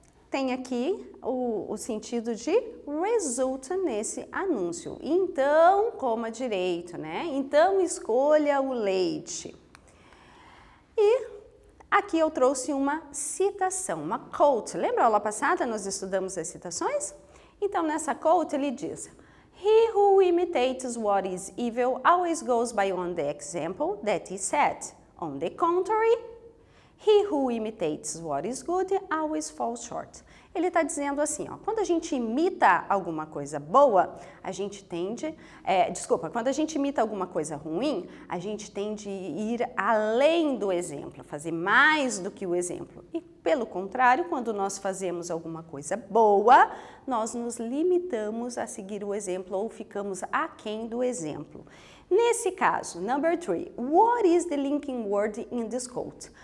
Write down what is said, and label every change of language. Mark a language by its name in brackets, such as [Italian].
[Portuguese] tem aqui o sentido de resulta nesse anúncio. Então, coma direito, né? Então, escolha o leite. E aqui eu trouxe uma citação, uma quote. Lembra aula passada, nós estudamos as citações? Então, nessa quote ele diz: [English] "He who imitates what is evil always goes by on the example that he set. On the contrary, he who imitates what is good always falls short." [Portuguese] Ele está dizendo assim, ó, quando a gente imita alguma coisa boa, a gente tende... quando a gente imita alguma coisa ruim, a gente tende a ir além do exemplo, fazer mais do que o exemplo. E, pelo contrário, quando nós fazemos alguma coisa boa, nós nos limitamos a seguir o exemplo ou ficamos aquém do exemplo. Nesse caso, [English] number three, what is the linking word in this quote?